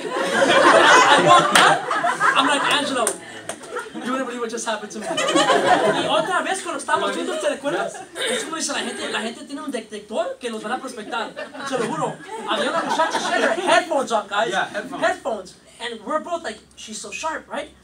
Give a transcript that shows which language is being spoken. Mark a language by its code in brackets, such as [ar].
[en] I'm like, Angelo, you wouldn't believe what just happened to me. [es] Y otra vez cuando estábamos juntos, ¿te recuerdas? Es como dice la gente tiene un detector que los van a prospectar. Se lo juro. Había una muchacha, she had her headphones on, guys. [en] Yeah, headphones. Headphones. And we're both like, she's so sharp, right?